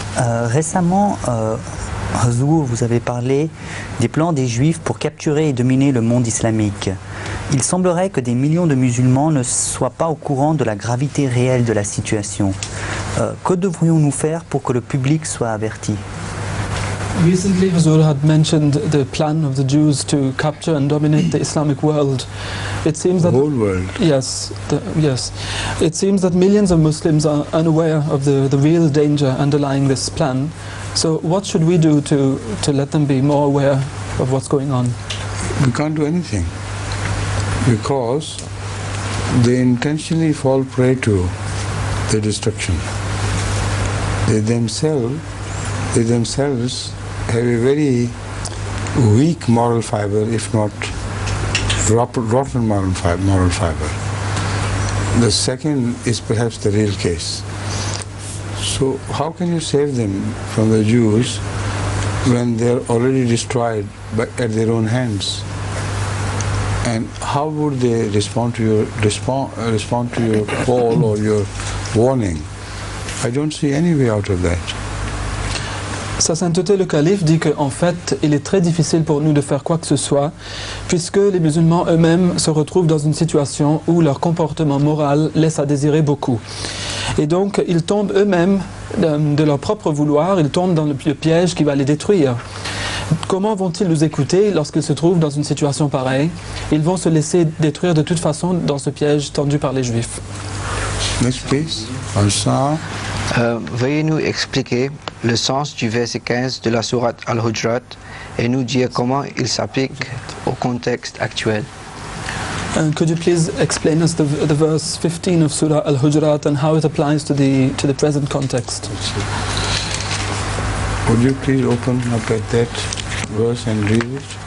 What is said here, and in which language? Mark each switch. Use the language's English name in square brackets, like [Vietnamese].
[French] Récemment, Zuhour, vous avez parlé des plans des Juifs pour capturer et dominer le monde islamique. Il semblerait que des millions de musulmans ne soient pas au courant de la gravité réelle de la situation. Que devrions-nous faire pour que le public soit averti? [English] Recently, Zuhour had mentioned the plan of the Jews to capture and dominate the Islamic world. It seems that the whole world. Yes, It seems that millions of Muslims are unaware of the real danger underlying this plan. So, what should we do to let them be more aware of what's going on? We can't do anything because they intentionally fall prey to the destruction. They themselves have a very weak moral fiber, if not rotten moral fiber. The second is perhaps the real case. So how can you save them from the Jews when they're already destroyed at their own hands? And how would they respond to your call or your warning? I don't see any way out of that. [French] Sa Sainteté le Calife dit qu'en fait, il est très difficile pour nous de faire quoi que ce soit, puisque les musulmans eux-mêmes se retrouvent dans une situation où leur comportement moral laisse à désirer beaucoup. Et donc, ils tombent eux-mêmes, de leur propre vouloir, ils tombent dans le piège qui va les détruire. Comment vont-ils nous écouter lorsqu'ils se trouvent dans une situation pareille? Ils vont se laisser détruire de toute façon dans ce piège tendu par les Juifs. [English] Next piece, Al-Sahar. [French] Veuillez nous expliquer le sens du verset 15 de la sourate Al-Hujrat et nous dire comment il s'applique au contexte actuel. [English] Could you please explain us the verse 15 of Surah Al-Hujrat and how it applies to the present context? Would you please open up at that verse and read it?